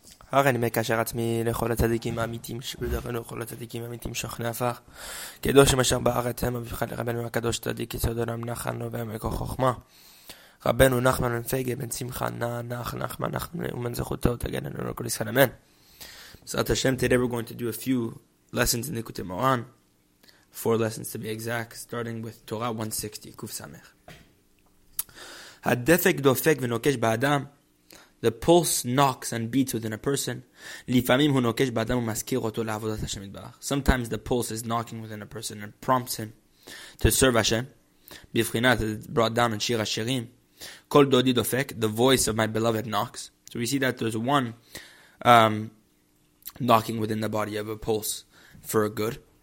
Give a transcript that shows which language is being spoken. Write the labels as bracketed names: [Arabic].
[Hebrew] הרי אני מקשר עצמי לכל הצדיקים האמיתים שבדרנו, כל הצדיקים האמיתים שוכני עפר. קדושים אשר בארץ הם הבחד לרבנו הקדוש צדיק, יצא עולם נחל נובע מכוח חוכמה. רבנו נחמן ונפגה בן שמחה, נחמן ומן זכותו, תגן לנו לכל ישראל, אמן. בעזרת השם, [English] today we're going to do a few lessons in ליקוטי מוהר"ן. Four lessons to be exact, starting with Torah 160, קוף סמך. [Hebrew] הדפק דופק ונוקש באדם. [English] The pulse knocks and beats within a person. [Hebrew] לפעמים הוא נוקש באדם ומזכיר אותו לעבודת השם יתברך. [English] Sometimes the pulse is knocking within a person and prompts him to serve Hashem. בבחינת, it's brought down in שיר השירים. [Hebrew] כל דודי דופק, [English] the voice of my beloved knocks. So we see that there's one knocking within the body of a pulse for a good.